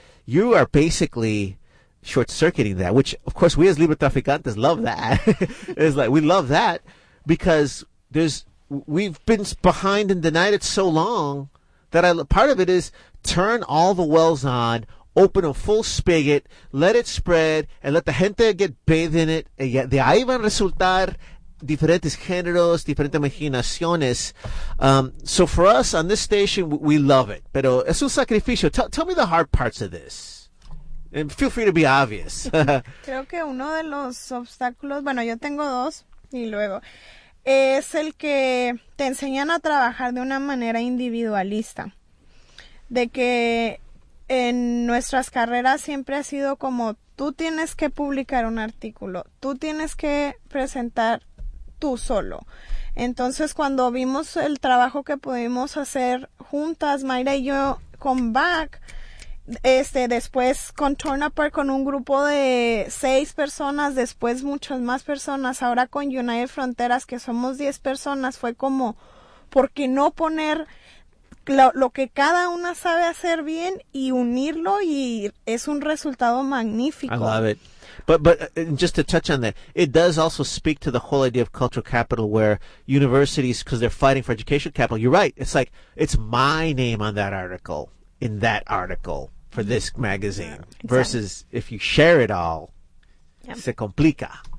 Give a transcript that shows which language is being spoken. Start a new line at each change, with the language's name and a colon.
English: You are basically short-circuiting that, which, of course, we as Libre Traficantes love that. It's like, we love that, because there's we've been behind and denied it so long that part of it is turn all the wells on, open a full spigot, let it spread, and let the gente get bathed in it.
Spanish: Y de ahí van a resultar diferentes géneros, diferentes imaginaciones.
English: So for us on this station, we love it.
Spanish: Pero es un sacrificio.
English: Tell me the hard parts of this. And feel free to be obvious.
Spanish: Creo que uno de los obstáculos, bueno, yo tengo dos y luego, es el que te enseñan a trabajar de una manera individualista. De que en nuestras carreras siempre ha sido como, tú tienes que publicar un artículo, tú tienes que presentar tú solo. Entonces, cuando vimos el trabajo que pudimos hacer juntas, Mayra y yo, con Back, después con Torn Apart, con un grupo de 6 personas, después muchas más personas, ahora con United Fronteras, que somos 10 personas, fue como, ¿por qué no poner lo que cada una sabe hacer bien y unirlo? Y es un resultado magnífico.
English: I love it. But just to touch on that, it does also speak to the whole idea of cultural capital, where universities, because they're fighting for educational capital, you're right, it's like, it's my name on that article, in that article, for this magazine. Exactly. Versus if you share it all, yep.
Spanish: Se complica.